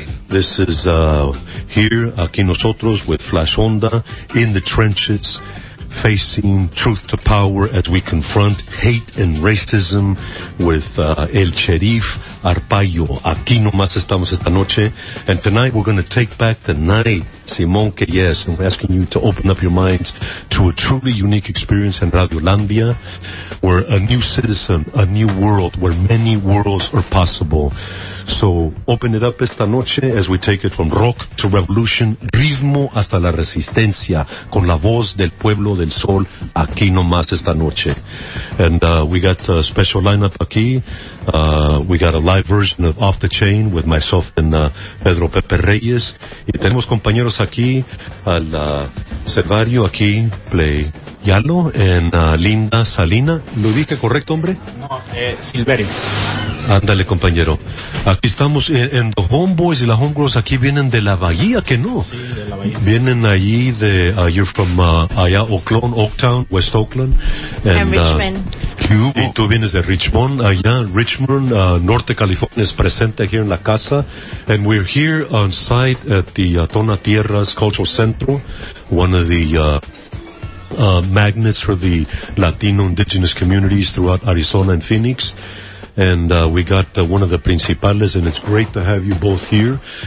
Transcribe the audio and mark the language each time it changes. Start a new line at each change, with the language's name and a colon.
English: This is here,
Spanish: aquí nosotros,
English: with Flash Onda in the trenches, facing truth to power as we confront hate and racism with El Sheriff Arpaio.
Spanish: Aquí nomás estamos esta noche.
English: And tonight we're going to take back the night.
Spanish: Simón, que
English: yes. And we're asking you to open up your minds to a truly unique experience in Radiolandia, where a new citizen, a new world, where many worlds are possible. So open it up
Spanish: esta noche
English: as we take it from rock to revolution,
Spanish: ritmo hasta la resistencia, con la voz del pueblo del sol, aquí nomás esta noche.
English: And we got a special lineup
Spanish: aquí.
English: We got a live version of Off the Chain with myself and Pedro Pepe Reyes.
Spanish: Y tenemos compañeros aquí, al Cervario, aquí, Play Yalo, en Linda Salina. ¿Lo dije correcto, hombre? No, Silverio. Ándale, compañero. Aquí estamos en The Homeboys y la Homegirls. Aquí vienen de la Bahía, ¿que no? Sí, de la Bahía. Vienen allí de,
English: you're from
Spanish: allá, Oakland, Oaktown, West Oakland.
English: And Richmond.
Spanish: Y tú vienes de Richmond, allá, Richmond, Norte California, es presente aquí en la casa.
English: And we're here on site at the Tona Tierras Cultural Center, one of the magnets for the Latino indigenous communities throughout Arizona and Phoenix. And we got one of the principales, and it's great to have you both here.